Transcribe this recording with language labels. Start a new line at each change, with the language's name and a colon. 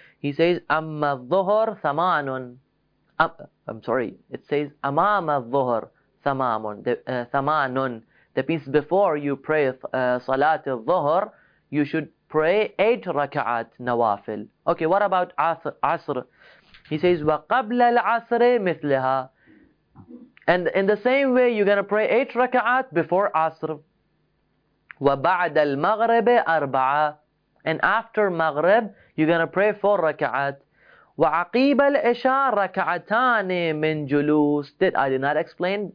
English: He says,
Arabic: amma al-dhuhr thamanun. Amama al-dhuhr thamanun.
English: That means before you pray salat al-dhuhr, you should pray 8 raka'at nawafil. Okay, what about asr? He says,
Arabic: وَقَبْلَ الْعَصْرِ مِثْلِهَا.
English: And in the same way, you're going to pray 8 raka'at before asr.
Arabic: وَبَعْدَ الْمَغْرِبِ أَرْبَعَ.
English: And after maghrib, you're going to pray 4 raka'at.
Arabic: وَعَقِيبَ الْإِشَى رَكَعَتَانِ مِنْ جُلُوسِ.
English: Did I did not explain?